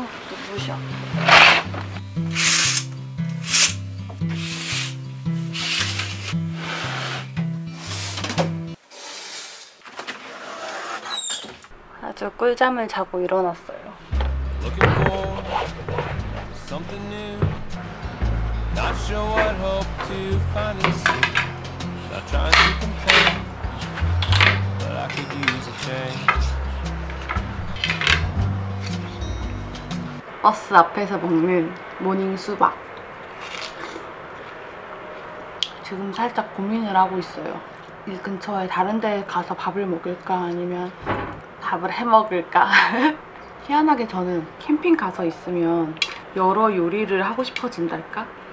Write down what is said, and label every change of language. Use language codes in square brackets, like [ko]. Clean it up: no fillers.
[ko] 눈부셔. 아주 꿀잠을 자고 일어났어요. [en] Looking for something new. Not sure what hope to find and see. Not trying to complain, but I could use a change. [ko] 버스 앞에서 먹는 모닝 수박. 지금 살짝 고민을 하고 있어요. 이 근처에 다른 데 가서 밥을 먹을까 아니면 밥을 해 먹을까. 희한하게 저는 캠핑 가서 있으면 여러 요리를 하고 싶어진달까?